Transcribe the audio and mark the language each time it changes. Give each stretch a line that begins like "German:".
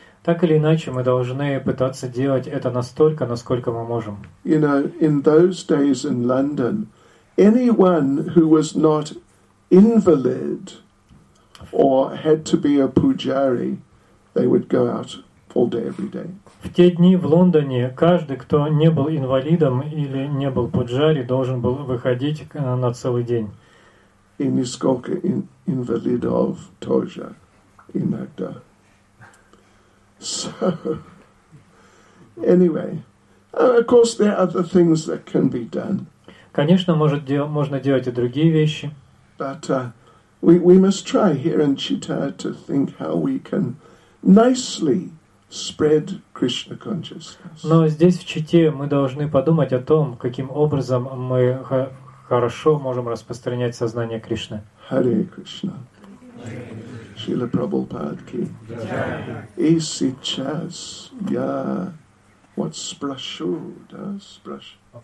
Russian: Так или иначе, мы должны пытаться делать это настолько, насколько мы можем.
English: You know, in those days in London, anyone who was not invalid or had to be a pujari, they would go out all day every day.
Russian: В те дни в Лондоне каждый, кто не был инвалидом или не был пуджари, должен был выходить на целый день. И несколько инвалидов тоже иногда.
English: So, anyway, of course, there are other things that can be done.
Russian: Конечно, можно делать и другие вещи.
English: But we must try here in Chittagong to think how we can nicely spread Krishna consciousness.
Russian: Но здесь, в Чите, мы должны подумать о том, каким образом мы хорошо можем распространять сознание Кришны.
English: Hare Krishna. Srila Prabhupada ki.
Russian: И сейчас я вот спрошу, да, спрошу.